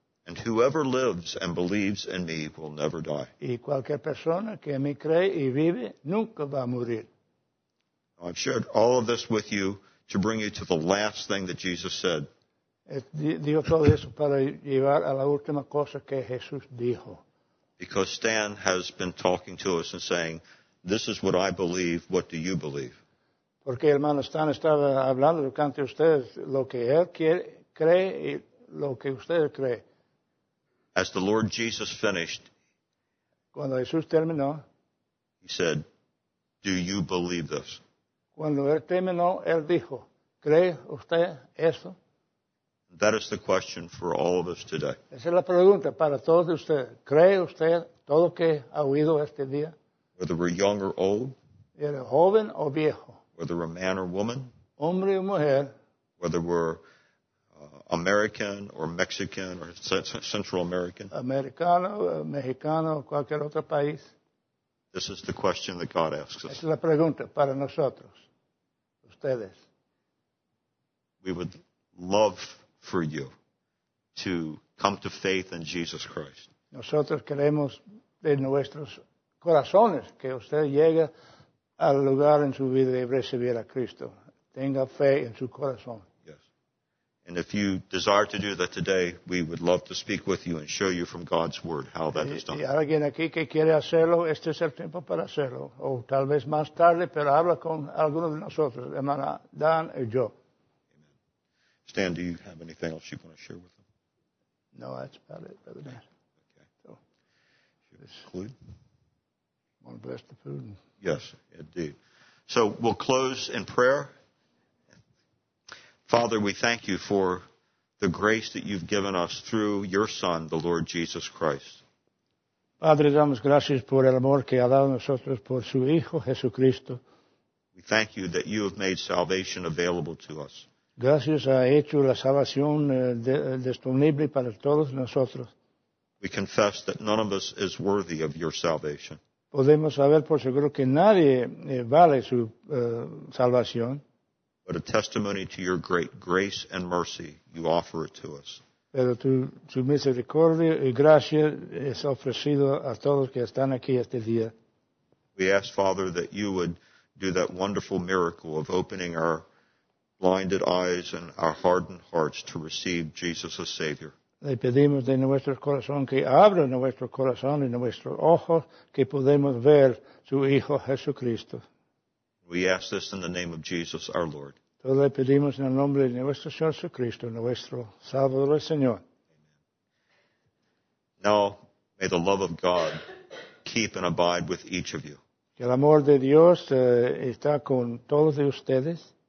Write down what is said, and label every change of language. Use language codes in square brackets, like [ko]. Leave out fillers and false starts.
[en] And whoever lives and believes in me will never die. [es] Y cualquier persona que me cree y vive nunca va a morir. [en] I've shared all of this with you to bring you to the last thing that Jesus said. [es] Dijo todo eso para llevar a la última cosa que Jesús dijo. [en] Because Stan has been talking to us and saying, this is what I believe, what do you believe? [es] Porque el hermano Stan estaba hablando durante ustedes lo que él quiere, cree y lo que usted cree. [en] As the Lord Jesus finished, [es] cuando Jesús terminó, [en] he said, do you believe this? [es] Cuando él terminó, él dijo, ¿cree usted eso? [en] That is the question for all of us today. [es] Esa es la pregunta para todos ustedes. ¿Cree usted todo lo que ha oído este día? [en] Whether we're young or old. [es] ¿Eres joven o viejo? [en] Whether we're man or woman. [es] Hombre o mujer. [en] Whether we're American or Mexican or Central American. [es] Americano, mexicano, cualquier otro país. [en] This is the question that God asks us. [es] Esa es la pregunta para nosotros, ustedes. [en] We would love for you to come to faith in Jesus Christ. [es] Nosotros queremos de nuestros corazones que usted llegue al lugar en su vida de recibir a Cristo. Tenga fe en su corazón. [en] And if you desire to do that today, we would love to speak with you and show you from God's Word how that is done. [es] Y alguien aquí que quiere hacerlo, este es el tiempo para hacerlo. O tal vez más tarde, pero habla con alguno de nosotros, hermana Dan y yo. [en] Amen. Stan, do you have anything else you want to share with them? No, that's about it, Brother Dan. Okay. So, should we conclude? Want to bless the food? Yes, indeed. So we'll close in prayer. Father, we thank you for the grace that you've given us through your Son, the Lord Jesus Christ. [es] Padre, damos gracias por el amor que ha dado nosotros por su Hijo, Jesucristo. [en] We thank you that you have made salvation available to us. [es] Gracias, ha hecho la salvación disponible para todos nosotros. [en] We confess that none of us is worthy of your salvation. [es] Podemos saber por seguro que nadie vale su salvación. [en] But a testimony to your great grace and mercy, you offer it to us. [es] Pero tu misericordia y gracia es ofrecido a todos que están aquí este día. [en] We ask, Father, that you would do that wonderful miracle of opening our blinded eyes and our hardened hearts to receive Jesus as Savior. [es] Le pedimos de nuestro corazón que abra nuestro corazón y nuestros ojos que podamos ver su Hijo Jesucristo. [en] We ask this in the name of Jesus, our Lord. [es] Todo le pedimos en el nombre de nuestro Señor Jesucristo, nuestro Salvador y Señor. [en] Amen. Now, may the love of God keep and abide with each of you. [es] Que el amor de Dios está con todos de ustedes.